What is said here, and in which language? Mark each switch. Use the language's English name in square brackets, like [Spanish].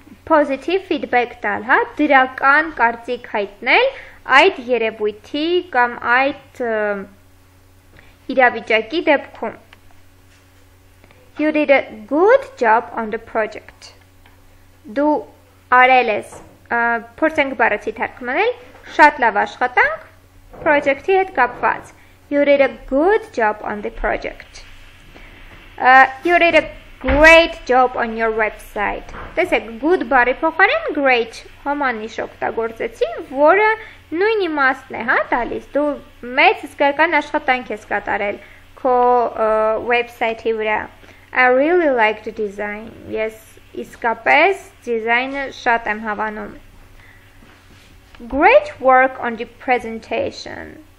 [Armenian] positive feedback տալ, հա, դրական կարծիք հայտնել այդ երևույթի կամ այդ իրավիճակի դեպքում։ [English] You did a good job on the project. [Armenian] Դու արել ես, փորձենք բառացի թարգմանել, շատ լավ աշխատանք project-ի հետ կապված։ [English] You did a good job on the project. You did a great job on your website. [Armenian] Տեսեք, good բառի փոխարեն great համանիշ օգտագործեցի, որը նույն իմաստն է, հա, տալիս։ Դու մեծ հսկայական աշխատանք ես կատարել քո website-ի վրա։ [English] I really like the design. [Armenian] Yes, իսկապես դիզայնը շատ եմ հավանում։ [English] Great work on the presentation.